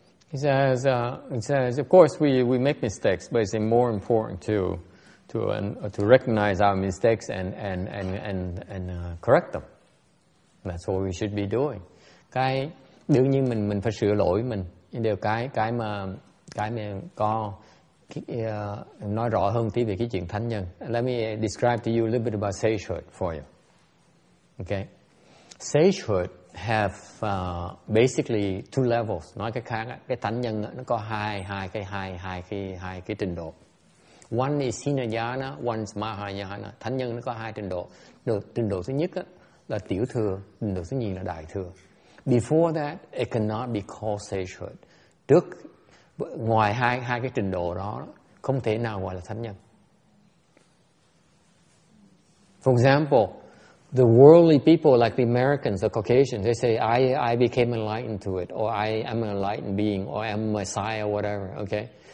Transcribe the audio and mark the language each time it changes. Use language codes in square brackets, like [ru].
[en] He says, of course we make mistakes, but it's more important to recognize our mistakes and correct them. That's what we should be doing. [vi] Cái đương nhiên mình phải sửa lỗi mình. Nhưng điều cái mà có nói rõ hơn tí về cái chuyện thánh nhân. [en] Let me describe to you a little bit about sagehood for you. Okay, sagehood have basically two levels. [vi] Nói cái khác, cái thánh nhân nó có hai cái trình độ. [en] One is Hinayana, one is Mahayana. [vi] Thánh nhân nó có hai trình độ. Trình độ thứ nhất là tiểu thừa, trình độ thứ nhì là đại thừa. [en] Before that, it cannot be called sagehood. [vi] Trước, ngoài hai hai cái trình độ đó, không thể nào gọi là thánh nhân. [en] For example, the worldly people like the Americans, the Caucasians, they say, I became enlightened to it, or I am an enlightened being, or I am a messiah, whatever, okay?